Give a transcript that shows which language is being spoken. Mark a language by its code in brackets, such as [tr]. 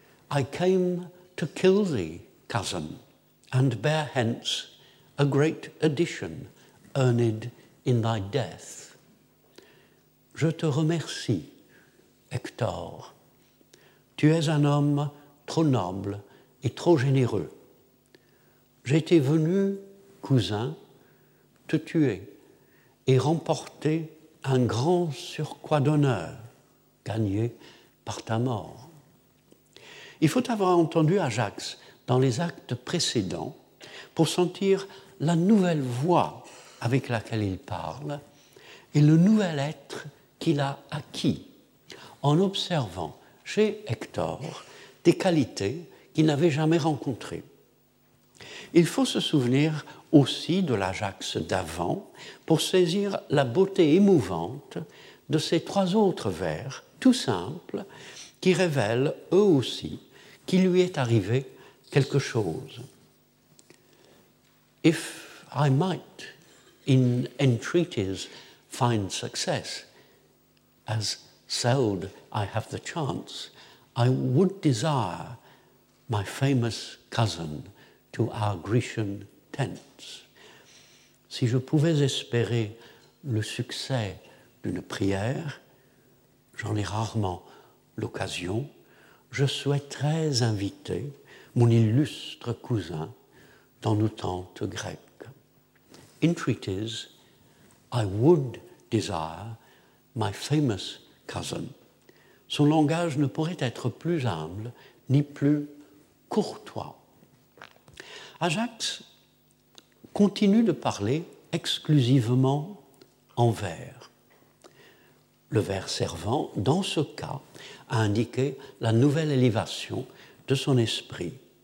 [en] I came to kill thee, cousin, and bear hence a great addition earned in thy death. [fr] Je te remercie, Hector. Tu es un homme trop noble et trop généreux. J'étais venu, cousin, te tuer et remporter un grand surcroît d'honneur gagné par ta mort. Il faut avoir entendu Ajax dans les actes précédents pour sentir la nouvelle voix avec laquelle il parle et le nouvel être qu'il a acquis en observant chez Hector des qualités qu'il n'avait jamais rencontrées. Il faut se souvenir aussi de l'Ajax d'avant pour saisir la beauté émouvante de ces trois autres vers, tout simples, qui révèlent eux aussi qu'il lui est arrivé quelque chose. [en] If I might in entreaties find success, as seldom I have the chance, I would desire my famous cousin to our Grecian tents. [fr] Si je pouvais espérer le succès d'une prière, j'en ai rarement l'occasion, je souhaiterais inviter mon illustre cousin dans nos tentes grecques. [en] Entreaties, I would desire my famous cousin. [fr] son langage ne pourrait être plus humble ni plus courtois. Ajax continue de parler exclusivement en vers. Le vers servant, dans ce cas, à indiquer la nouvelle élévation de son esprit.